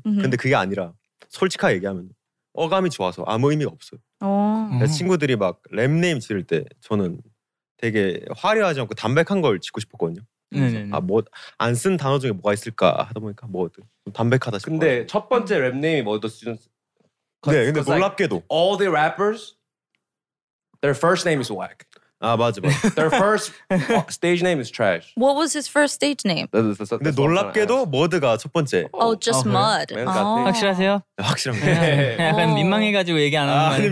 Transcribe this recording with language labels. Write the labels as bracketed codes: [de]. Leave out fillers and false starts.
[ko] 근데 그게 아니라 솔직하게 얘기하면 어감이 좋아서 아무 의미가 없어요. 친구들이 막 랩네임 지을 때 저는 되게 화려하지 않고 담백한 걸 짓고 싶었거든요. 아, 뭐 안 쓴 단어 중에 뭐가 있을까 하다 보니까 뭐 좀 담백하다 싶어. 근데 첫 번째 랩 네임이 뭐였어? 네, 근데 놀랍게도 [en] like, All the rappers their first name is whack. [ko] 아, 맞아. [en] Their first stage name is trash. What was his first stage name? That's [ko] 근데 놀랍게도 머드가 첫 번째. [en] Oh, just mud. [ko] 확실하세요? 확실합니다. 약간 민망해가지고 얘기 안 하는